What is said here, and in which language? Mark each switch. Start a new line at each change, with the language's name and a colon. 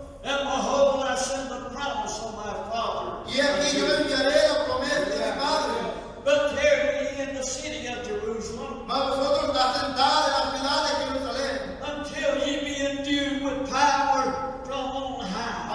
English: And behold, I send the promise of my Father.
Spanish: Y aquí yo enviaré la promesa de mi Padre.
English: But tarry ye in the city of Jerusalem.
Spanish: Mas vosotros asentad en la ciudad de Jerusalén.
English: Until ye be endued with power from on high.